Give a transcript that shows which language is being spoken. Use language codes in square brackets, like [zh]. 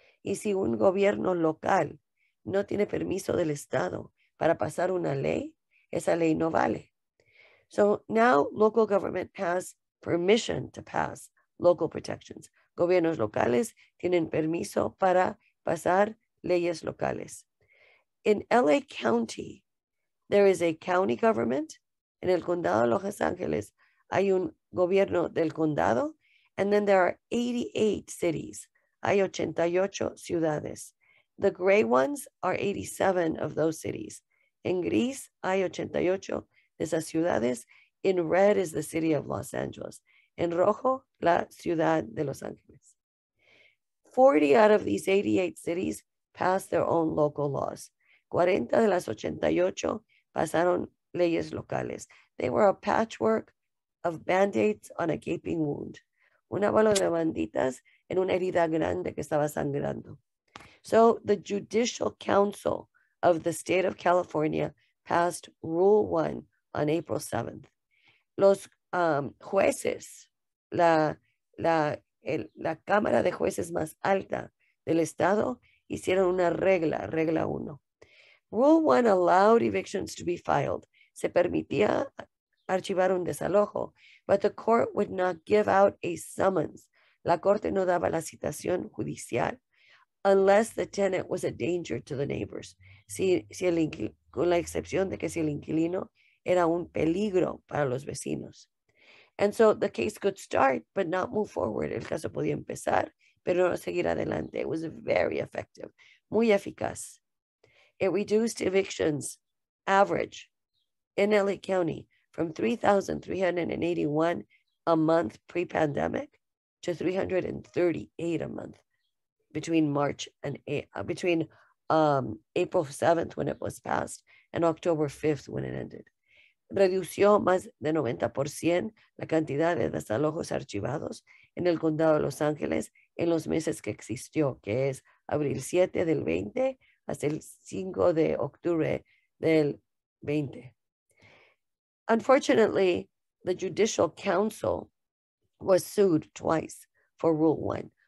[es] Y si un gobierno local no tiene permiso del estado para pasar una ley, esa ley no vale. [en] So now local government has permission to pass local protections. [es] Gobiernos locales tienen permiso para pasar leyes locales. [en] In LA County, there is a county government. [es] En el condado de Los Ángeles, hay un gobierno del condado. [en] And then there are 88 cities. [es] Hay 88 ciudades. [en] The gray ones are 87 of those cities. [es] En gris, hay 88 de esas ciudades. [en] In red is the city of Los Angeles. [es] En rojo, la ciudad de Los Ángeles. [en] 40 out of these 88 cities passed their own local laws. [es] 40 de las 88 pasaron leyes locales. [en] They were a patchwork of band-aids on a gaping wound. [es] Una bola de banditas en una herida grande que estaba sangrando. [en] So the Judicial Council of the State of California passed Rule 1 on April 7th. [es] Los jueces, la Cámara de Jueces más alta del estado, hicieron una regla, regla 1. [en] Rule 1 allowed evictions to be filed. [es] Se permitía archivar un desalojo, [en] but the court would not give out a summons. [es] La corte no daba la citación judicial [en] unless the tenant was a danger to the neighbors. [es] Si el inquilino, con la excepción de que si el inquilino era un peligro para los vecinos. [en] And so the case could start, but not move forward. [es] El caso podía empezar, pero no seguir adelante. [en] It was very effective, [es] muy eficaz. [en] It reduced evictions average in LA County from 3,381 a month pre-pandemic to 338 a month between March and April 7th when it was passed and October 5th when it ended. [es] Redució más de 90% la cantidad de desalojos archivados en el condado de Los Ángeles en los meses que existió, que es abril 7 del 20 hasta el 5 de octubre del 20. [en] Unfortunately, the Judicial Council was sued twice for Rule 1.